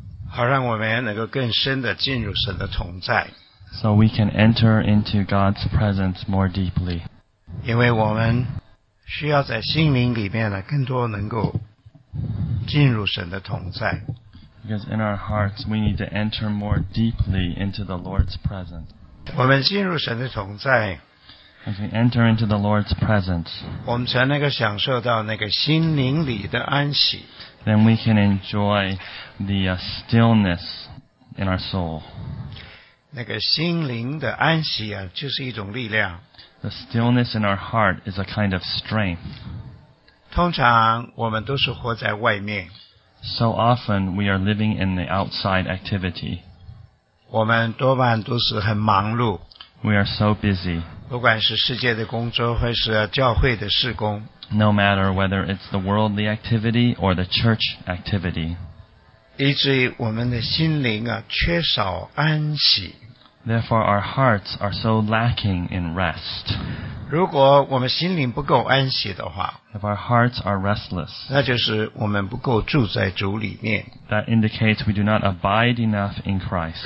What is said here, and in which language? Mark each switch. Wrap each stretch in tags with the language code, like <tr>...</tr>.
<zh>好让我们能够更深地进入神的同在。</zh> <en>So we can enter into God's presence more deeply.</en> <zh>因为我们需要在心灵里面呢更多能够进入神的同在。</zh> <en>Because in our hearts, we need to enter more deeply into the Lord's presence.</en> <zh>我们进入神的同在。</zh> <en>As we enter into the Lord's presence,</en> <zh>我们才能够享受到那个心灵里的安息。</zh> <en>Then we can enjoy the stillness in our soul.</en> <zh>那个心灵的安息啊，就是一种力量。</zh> <en>The stillness in our heart is a kind of strength.</en> <zh>通常我们都是活在外面。</zh> <en>So often we are living in the outside activity.</en> <zh>我们多半都是很忙碌。</zh> <en>We are so busy.</en> <zh>不管是世界的工作，或是教会的事工。</zh> <en>No matter whether it's the worldly activity or the church activity.</en> <zh>以至于我们的心灵啊，缺少安息。</zh> <en>Therefore, our hearts are so lacking in rest.</en> <zh>如果我们心灵不够安息的话，</zh> <en>If our hearts are restless,</en> <zh>那就是我们不够住在主里面。</zh> <en>That indicates we do not abide enough in Christ.</en>